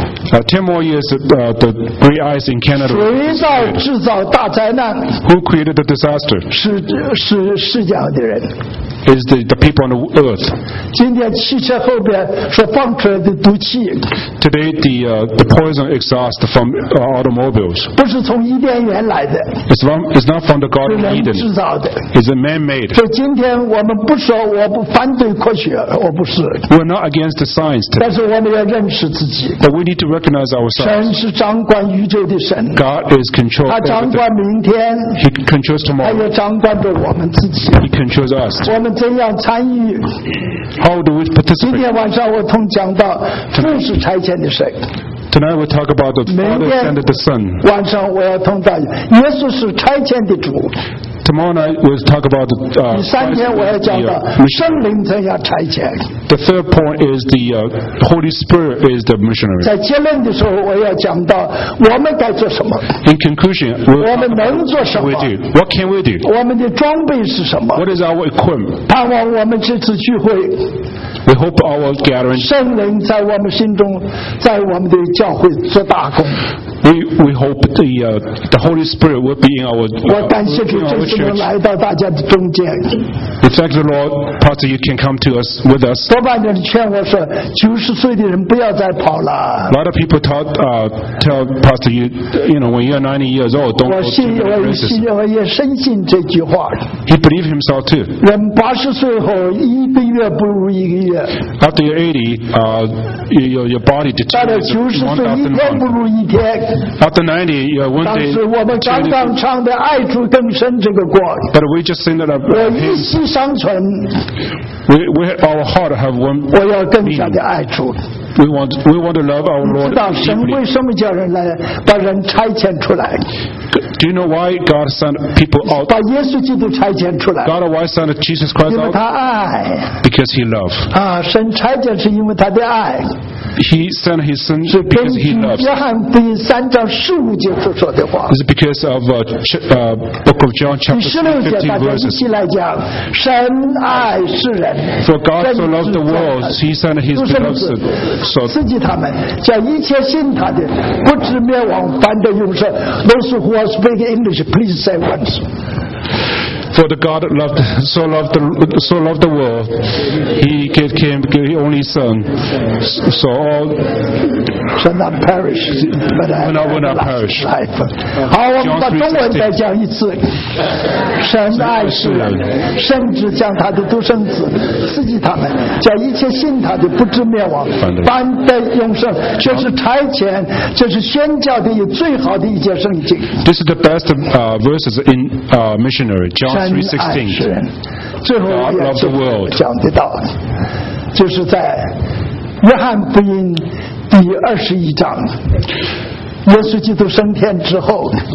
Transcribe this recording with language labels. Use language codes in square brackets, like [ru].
[en] 10 more years, the gray ice in Canada. [zh] 谁造制造大灾难？ [en] Who created the disaster? [zh] 是世界的人。 [en] Is the people on the earth. [zh] 今天汽车后边所放出来的毒气。 [en] Today the poison exhaust from automobiles. [zh] 不是从伊甸园来的。 [en] It's not from the Garden of Eden. [zh] 是人制造的。 [en] It's man-made. [zh] 所以今天我们不说我不反对科学，我不是。 [en] We're not against the science today. [zh] 但是我们要认识自己。 [en] But we need to recognize ourselves. [zh] 神是掌管宇宙的神。 [en] God is control everything. [zh] 他掌管明天。 [en] He controls tomorrow. [zh] 他也掌管着我们自己。 [en] He controls us. [zh] 我们怎样参与？ [en] How do we participate? [zh] 今天晚上我同讲到父是差遣的神。 [en] Tonight we talk about the Father and the Son. [zh] 晚上我要同大家，耶稣是差遣的主。 [en] Tomorrow night we'll talk about the. [zh] 第三天我要讲到圣灵怎样差遣。 [en] The third point is the Holy Spirit is the missionary. [zh] 在结论的时候，我要讲到我们该做什么。 [en] In conclusion, we'll talk about [zh] 我们能做什么 [en] ？We do. What can we do? [zh] 我们的装备是什么 [en] ？What is our equipment? [zh] 盼望我们这次聚会。 [en] We hope our gathering. [zh] 圣灵在我们心中，在我们的教会做大工。 [en] We hope the Holy Spirit will be in our church. [zh] 我感谢主，真是能来到大家的中间。 [en] We thank the Lord, Pastor, you can come to us with us. [zh] 多半人劝我说，90岁的人不要再跑了。 [en] A lot of people tell Pastor you know, when you are 90 years old, don't go to the races. [zh] 我也深信这句话。 [en] He believed himself too. [zh] 人80岁后一个月不如一个月。 [en] After you're 80, your body deteriorates. [zh] 到了90岁，一天不如一天。 [en] After 90, you are one day. [zh] 当时我们刚刚唱的《爱主更深》这个歌。 [en] But we just sing that. [zh] 我一息尚存。 [en] We our heart have one. [zh] 我要更加的爱主。 [en] We want to love our Lord. [zh] 知道神为什么叫人来，把人差遣出来。 [en] Do you know why God sent people out? [zh] 把耶稣基督差遣出来。 [en] God why sent Jesus Christ out? [zh] 因为他爱。 [en] Because he loved. [zh] 啊，神差遣是因为他的爱。 [en] He sent his son because he loves. [zh] 约翰福音三章十五节所说的话。 [en] Is it because of Book of John chapter 15 verses? [zh] 第十六节，大家一起来讲，神爱世人。 [en] For God so loved the world, he sent his beloved son. [zh] 所赐给他们，叫一切信他的，不至灭亡，反得永生。 [en] Those who are speaking English, please say once. For the God loved, so loved the world, he gave him the only son. So all shall not perish, but have life. John 3:16. [zh] 神爱世人，甚至将他的独生子赐给他们，叫一切信他的不至灭亡，反得永生。这是差遣，这是宣教的最好的一节圣经。 [en] This is the best verses in missionary John 3:16. God loved the world. [zh] 讲得到，就是在约翰福音第二十一章，耶稣基督升天之后。